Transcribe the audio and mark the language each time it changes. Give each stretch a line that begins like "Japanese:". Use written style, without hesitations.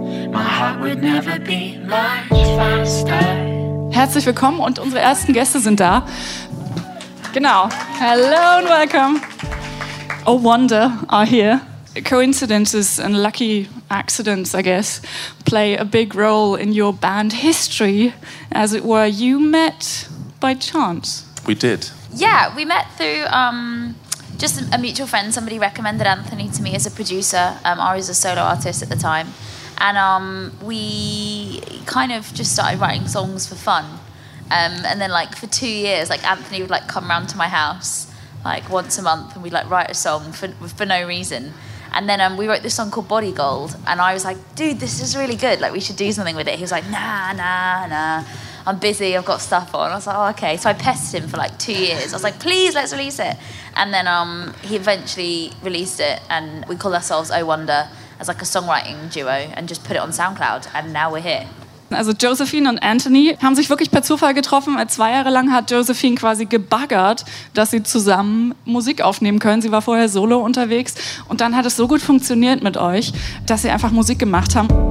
English: my heart would never be much faster.
German: Herzlich willkommen und unsere ersten Gäste sind da.
English: Genau. Hello and welcome. Oh wonder are here. Coincidences and lucky accidents, I guess, play a big role in your band history. As it were, you met by chance. We did. Yeah, we met through just a mutual friend. Somebody recommended Anthony to me as a producer. Ari's a solo artist at the time. And we kind of just started writing songs for fun. And then like for 2 years, like Anthony would like come round to my house like once a month and we'd like write a song for no reason. And then we wrote this song called Body Gold. And I was like, dude, this is really good. Like, we should do something with it. He was like, nah. I'm busy, I've got stuff on. I was like, oh, okay. So I pestered him for like 2 years. I was like, please, let's release it. And then he eventually released it. And we called ourselves Oh Wonder as like a songwriting duo and just put it on SoundCloud. And now we're here.
German: Also Josephine und Anthony haben sich wirklich per Zufall getroffen. Zwei Jahre lang hat Josephine quasi gebaggert, dass sie zusammen Musik aufnehmen können. Sie war vorher solo unterwegs und dann hat es so gut funktioniert mit euch, dass sie einfach Musik gemacht haben.